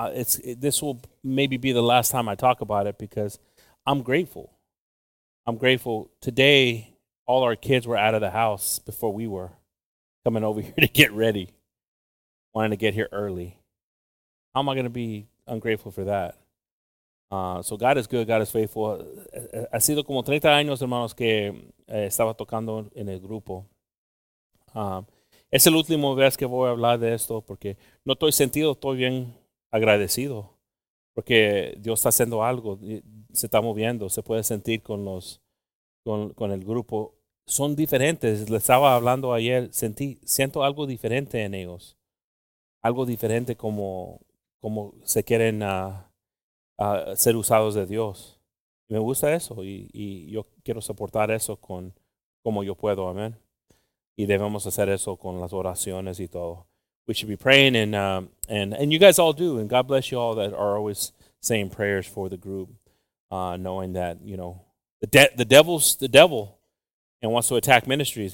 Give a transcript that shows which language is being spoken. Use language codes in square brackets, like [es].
[en] This will maybe be the last time I talk about it because I'm grateful. I'm grateful. Today, all our kids were out of the house before we were coming over here to get ready, wanting to get here early. How am I going to be ungrateful for that? So God is good. God is faithful. [es] Ha sido como 30 años, hermanos, que estaba tocando en el grupo. Es el último vez que voy a hablar de esto porque no estoy sentido, estoy bien agradecido porque Dios está haciendo algo, se está moviendo, se puede sentir con el grupo. Son diferentes, le estaba hablando ayer, siento algo diferente en ellos, algo diferente como se quieren ser usados de Dios. Me gusta eso y yo quiero soportar eso con como yo puedo, amén. Y debemos hacer eso con las oraciones y todo. [en] We should be praying, and you guys all do. And God bless you all that are always saying prayers for the group, knowing that, you know, the devil's the devil and wants to attack ministries.